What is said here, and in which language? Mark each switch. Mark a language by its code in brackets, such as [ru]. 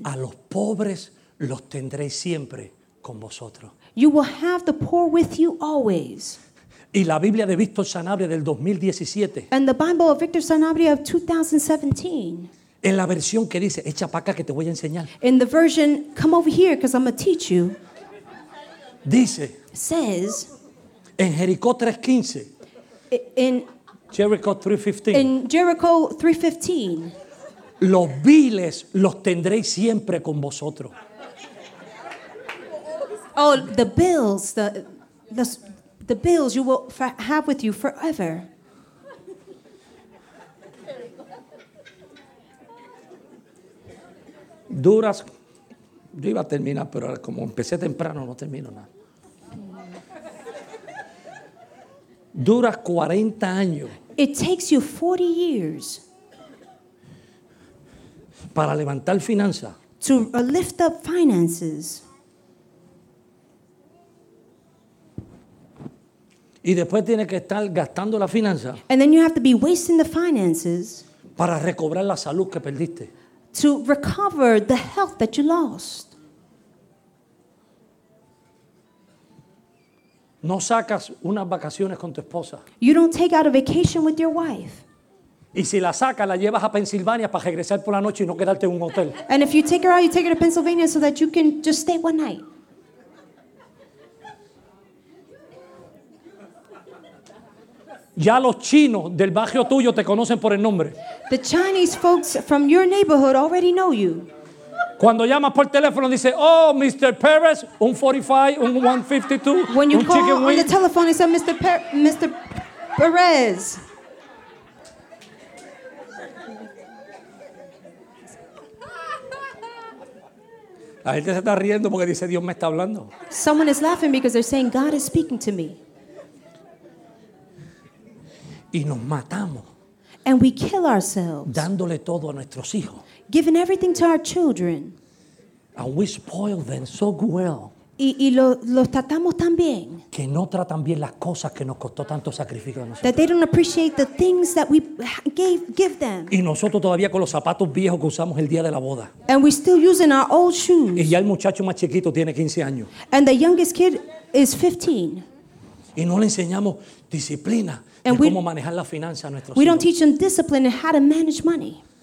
[es] A los pobres los tendréis siempre con vosotros. [en] You will have the poor with you always. [es] Y la Biblia de Víctor Sanabria del 2017. [en] And the Bible of Victor Sanabria of 2017. [es] En la versión que dice, echa para acá que te voy a enseñar. [en] In the version, come over here because I'm going to teach you. [es] Dice. [en] Says. [es] En Jericó 3:15. [en] In Jericho 3:15. In Jericho 3:15. [es] Los viles los tendréis siempre con vosotros. [en] Oh, the bills, the bills you will have with you forever. [es] Duras. Yo iba a terminar, pero como empecé temprano, no termino nada. Duras 40 años. [en] It takes you 40 years. [es] Para levantar finanzas. [en] To lift up finances. [es] Y después tiene que estar gastando la finanza. [en] And then you have to be wasting the finances. [es] Para recobrar la salud que perdiste. [en] To recover the health that you lost. [es] No sacas unas vacaciones con tu esposa. [en] You don't take out a vacation with your wife. [es] Y si la sacas, la llevas a Pensilvania para regresar por la noche y no quedarte en un hotel. [en] And if you take her out, you take her to Pennsylvania so that you can just stay one night. [es] Ya los chinos del barrio tuyo te conocen por el nombre. [en] The Chinese folks from your neighborhood already know you. [es] Cuando llamas por teléfono dice, oh, Mr. Perez, un 45, un 152, [en] when you [es] un [en] call chicken on the telephone, it's a Mr. Perez. [es] La gente se está riendo porque dice Dios me está hablando. [en] Someone is laughing because they're saying God is speaking to me. [es] Y nos matamos. [en] And we kill ourselves. [es] Dándole todo a nuestros hijos. [en] Giving everything to our children. And we spoil them so well. [es] Y los tratamos tan bien. Que no tratan bien las cosas que nos costó tanto sacrificio a nosotros. [en] That they don't appreciate the things that we give them. [es] Y nosotros todavía con los zapatos viejos que usamos el día de la boda. [en] And we're still using our old shoes. [es] Y ya el muchacho más chiquito tiene 15 años. [en] And the youngest kid is 15. [es] Y no le enseñamos disciplina. [en] And we, [es] cómo manejar la finanza a nuestros hijos. [en] Don't teach them discipline and how to manage money.